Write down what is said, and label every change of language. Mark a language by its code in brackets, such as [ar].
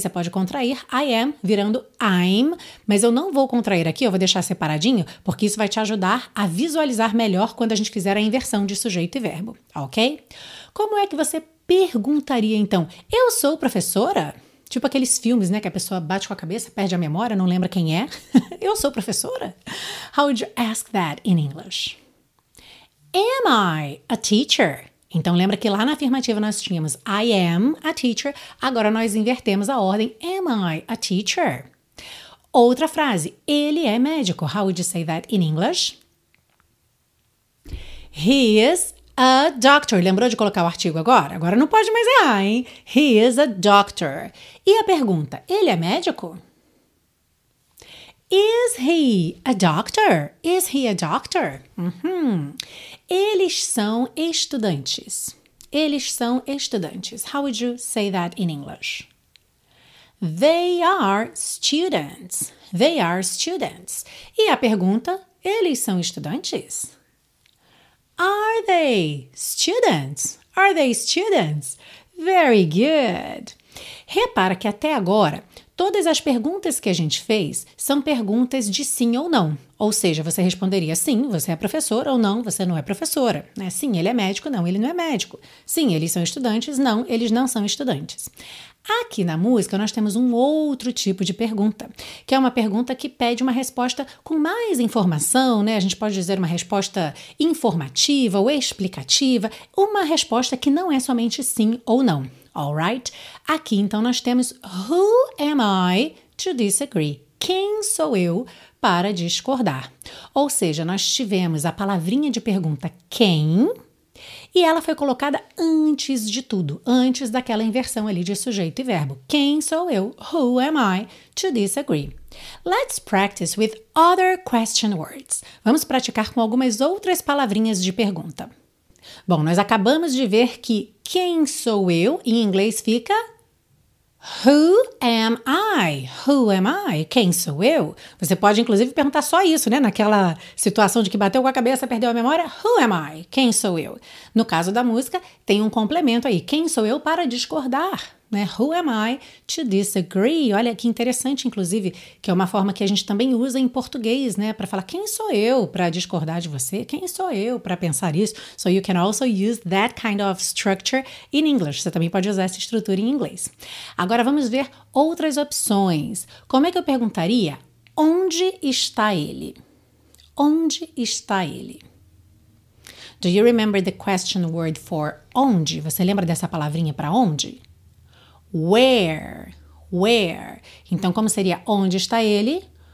[pt] Você pode contrair I am virando I'm, mas eu não vou contrair aqui, eu vou deixar separadinho, porque isso vai te ajudar a visualizar melhor quando a gente fizer a inversão de sujeito e verbo, ok? Como é que você perguntaria, então, eu sou professora? Tipo aqueles filmes, né, que a pessoa bate com a cabeça, perde a memória, não lembra quem é. Eu sou professora? [en] How would you ask that in English? Am I a teacher? [pt] Então, lembra que lá na afirmativa nós tínhamos [en] I am a teacher. [pt] Agora, nós invertemos a ordem. [en] Am I a teacher? [pt] Outra frase. Ele é médico. [en] How would you say that in English? He is a doctor. [pt] Lembrou de colocar o artigo agora? Agora não pode mais errar, hein? [en] He is a doctor. [pt] E a pergunta, ele é médico? [en] Is he a doctor? Is he a doctor? [pt] Eles são estudantes. Eles são estudantes. [en] How would you say that in English? They are students. They are students. [pt] E a pergunta, eles são estudantes? [en] Are they students? Are they students? Very good. [pt] Repara que até agora, todas as perguntas que a gente fez são perguntas de sim ou não. Ou seja, você responderia sim, você é professor, ou não, você não é professora. Né? Sim, ele é médico, não, ele não é médico. Sim, eles são estudantes, não, eles não são estudantes. Aqui na música, nós temos um outro tipo de pergunta, que é uma pergunta que pede uma resposta com mais informação, né? A gente pode dizer uma resposta informativa ou explicativa, uma resposta que não é somente sim ou não. [en] All right? [pt] Aqui, então, nós temos [en] Who am I to disagree? [pt] Quem sou eu para discordar? Ou seja, nós tivemos a palavrinha de pergunta quem, e ela foi colocada antes de tudo, antes daquela inversão ali de sujeito e verbo. Quem sou eu? [en] Who am I to disagree? Let's practice with other question words. [pt] Vamos praticar com algumas outras palavrinhas de pergunta. Bom, nós acabamos de ver que quem sou eu em inglês fica [en] Who am I? Who am I? [pt] Quem sou eu? Você pode, inclusive, perguntar só isso, né? Naquela situação de que bateu com a cabeça, perdeu a memória. [en] Who am I? [pt] Quem sou eu? No caso da música, tem um complemento aí. Quem sou eu para discordar? Né? [en] Who am I to disagree? [pt] Olha que interessante, inclusive, que é uma forma que a gente também usa em português, né? Para falar quem sou eu para discordar de você? Quem sou eu para pensar isso? [en] So you can also use that kind of structure in English. [pt] Você também pode usar essa estrutura em inglês. Agora vamos ver outras opções. Como é que eu perguntaria? Onde está ele? Onde está ele? [en] Do you remember the question word for onde? [pt] Você lembra dessa palavrinha para onde? [en] Where, where. [pt] Então, como seria onde está ele?